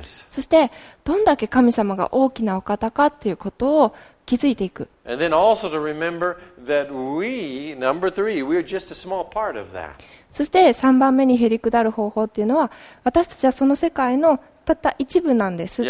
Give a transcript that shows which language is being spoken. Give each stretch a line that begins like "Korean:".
Japanese: そしてどんだけ神様が大きなお方かということを気づいていく。
English: And then also to remember that we, number three, we're just a small part of that.
Japanese: そして3番目にへりくだる方法っていうのは、私たちはその世界のたった一部なんですって。